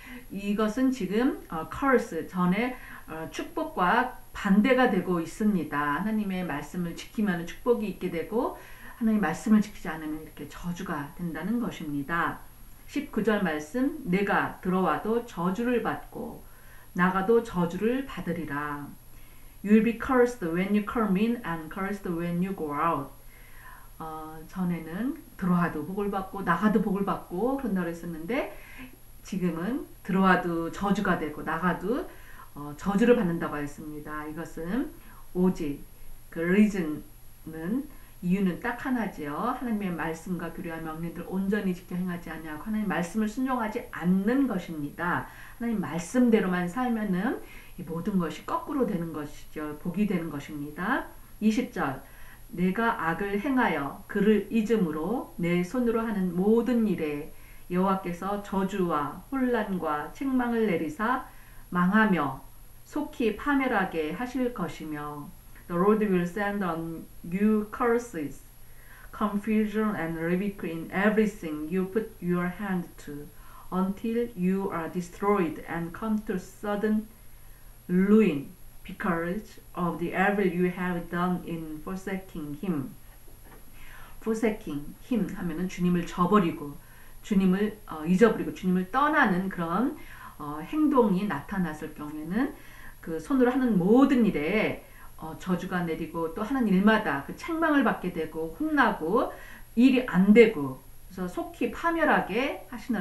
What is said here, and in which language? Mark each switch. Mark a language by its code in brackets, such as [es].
[ko] 이것은 지금 curse 전에 축복과 반대가 되고 있습니다. 하나님의 말씀을 지키면 축복이 있게 되고 하나님의 말씀을 지키지 않으면 이렇게 저주가 된다는 것입니다. 19절 말씀 내가 들어와도 저주를 받고 나가도 저주를 받으리라. [en] You'll be cursed when you come in and cursed when you go out. [ko] 전에는 들어와도 복을 받고 나가도 복을 받고 그런 말을 했었는데 지금은 들어와도 저주가 되고 나가도 저주를 받는다고 했습니다. 이것은 오직 그 reason은 이유는 딱 하나지요. 하나님의 말씀과 규례와 명령들을 온전히 지켜 행하지 아니하고 하나님 말씀을 순종하지 않는 것입니다. 하나님 말씀대로만 살면은 이 모든 것이 거꾸로 되는 것이죠. 복이 되는 것입니다. 20절 내가 악을 행하여 그를 잊음으로 내 손으로 하는 모든 일에 여호와께서 저주와 혼란과 책망을 내리사 망하며 속히 파멸하게 하실 것이며 [en] The Lord will send on you curses, confusion and havoc in everything you put your hand to until you are destroyed and come to sudden ruin because of the evil you have done in forsaking him. Forsaking him [ko] 하면은 주님을 저버리고 주님을 잊어버리고 주님을 떠나는 그런 행동이 나타났을 경우에는 그 손으로 하는 모든 일에 저주가 내리고 또 하는 일마다 그 책망을 받게 되고 혼나고 일이 안 되고 그래서 속히 파멸하게 하신다.